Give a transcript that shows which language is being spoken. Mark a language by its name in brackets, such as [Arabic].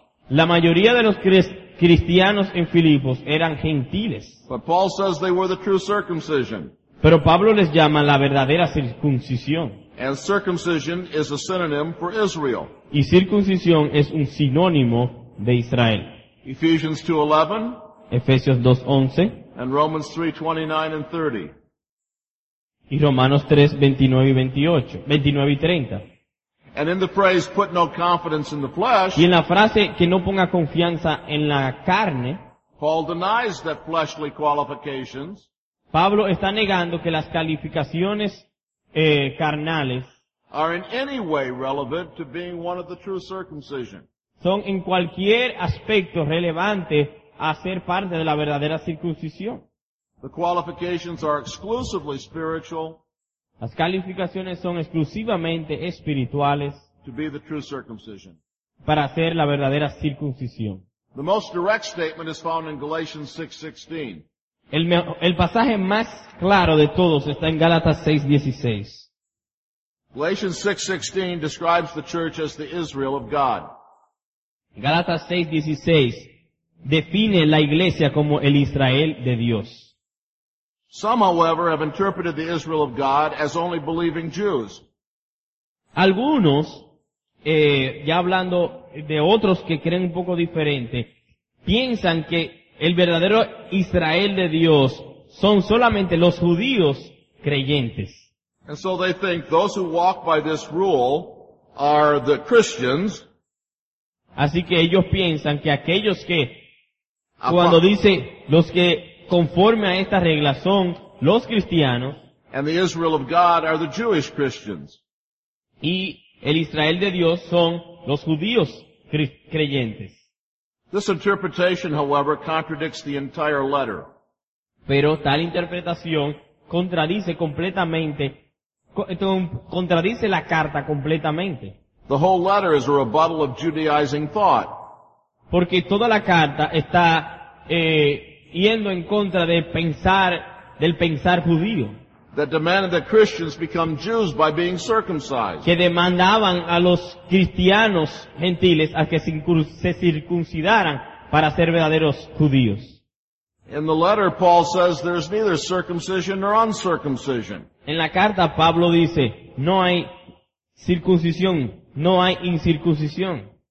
[Spanish] La mayoría de los cristianos en Filipos eran gentiles. [English] But Paul says they were the true circumcision. [Spanish] Pero Pablo les llama la verdadera circuncisión. [English] And circumcision is a synonym for Israel. [Spanish] Y circuncisión es un sinónimo de Israel. [English] Ephesians 2:11. [Spanish] Efesios 2:11. [English] And Romans 3:29 and 30. [Spanish] Y Romanos 3, 29 y 28, 29 y 30. [English] And in the phrase, put no confidence in the flesh, [Spanish] y en la frase, que no ponga confianza en la carne, [English] Paul denies that fleshly qualifications, [Spanish] Pablo está negando que las calificaciones carnales [English] are in any way relevant to being one of the true circumcision. [Spanish] Son en cualquier aspecto relevante a ser parte de la verdadera circuncisión. [English] The qualifications are exclusively spiritual. [Spanish] Las calificaciones son exclusivamente espirituales. [English] To be the true circumcision. [Spanish] Para ser la verdadera circuncisión. [English] The most direct statement is found in Galatians 6:16. [Spanish] El pasaje más claro de todos está en Gálatas 6:16. [English] Galatians 6:16 describes the church as the Israel of God. [Spanish] Gálatas 6:16 define la iglesia como el Israel de Dios. [English] Some, however, have interpreted the Israel of God as only believing Jews. [Spanish] Algunos, ya hablando de otros que creen un poco diferente, piensan que el verdadero Israel de Dios son solamente los judíos creyentes. [English] And so they think those who walk by this rule are the Christians. [Spanish] Así que ellos piensan que aquellos que, cuando dice los que conforme a esta regla son los cristianos, [English] and the Israel of God are the Jewish Christians. [Spanish] Y el Israel de Dios son los judíos creyentes. [English] This interpretation, however, contradicts the entire letter. [Spanish] Pero tal interpretación contradice la carta completamente. [English] The whole letter is a rebuttal of Judaizing thought. [Spanish] Porque toda la carta está yendo en contra de pensar del pensar judío, [English] that demanded that Christians become Jews by being circumcised, [Spanish] que demandaban a los cristianos gentiles a que se circuncidaran para ser verdaderos judíos. [English] In the letter, Paul says there's neither circumcision nor uncircumcision. [Spanish] En la carta, Pablo dice, no hay circuncisión, no hay incircuncisión.